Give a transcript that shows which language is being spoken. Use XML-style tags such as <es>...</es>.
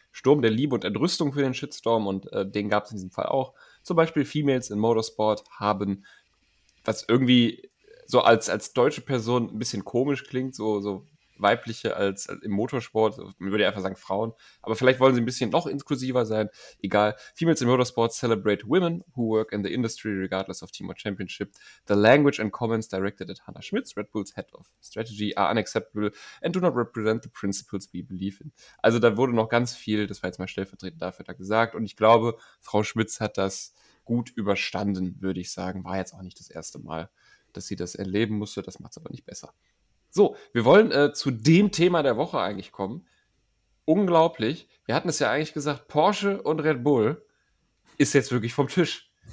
<de>Sturm der Liebe und Entrüstung für den Shitstorm und den gab es in diesem Fall auch. Zum Beispiel Females in Motorsport haben, was irgendwie so als deutsche Person ein bisschen komisch klingt, so weibliche als im Motorsport, man würde einfach sagen Frauen, aber vielleicht wollen sie ein bisschen noch inklusiver sein, egal.</de> <en>Females in Motorsport celebrate women who work in the industry regardless of team or championship. The language and comments directed at Hannah Schmitz, Red Bulls Head of Strategy, are unacceptable and do not represent the principles we believe in.</en> <de>Also da wurde noch ganz viel, das war jetzt mal stellvertretend dafür da gesagt, und ich glaube, Frau Schmitz hat das gut überstanden, würde ich sagen, war jetzt auch nicht das erste Mal, dass sie das erleben musste, das macht es aber nicht besser. So, wir wollen zu dem Thema der Woche eigentlich kommen. Unglaublich, wir hatten es ja eigentlich gesagt, Porsche und Red Bull ist jetzt wirklich vom Tisch.</de>